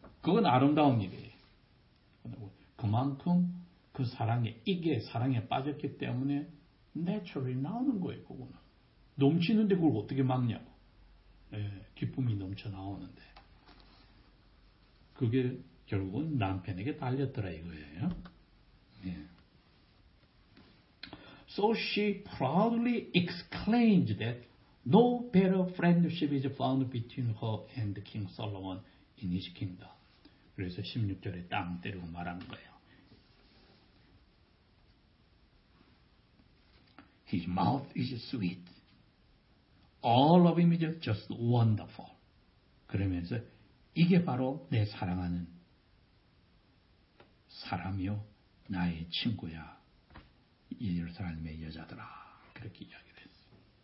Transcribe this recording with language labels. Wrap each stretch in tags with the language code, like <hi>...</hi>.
<ko>그건 아름다운 일이에요. 그만큼 그 사랑에, 이게 사랑에 빠졌기 때문에 내추럴이 나오는 거예요, 그거는. 넘치는데 그걸 어떻게 막냐고. 기쁨이 넘쳐 나오는데. 그게 결국은 남편에게 달렸더라 이거예요. 예.</ko> <en>So she proudly exclaimed that no better friendship is found between her and King Solomon in his kingdom.</en> <ko>그래서 16절에 땅 때리고 말한 거예요.</ko> <en>His mouth is sweet. All of him is just wonderful.</en> <ko>그러면서 이게 바로 내 사랑하는 사람이요, 나의 친구야, 예루살렘의 여자들아, 그렇게 이야기를 했어요.</ko>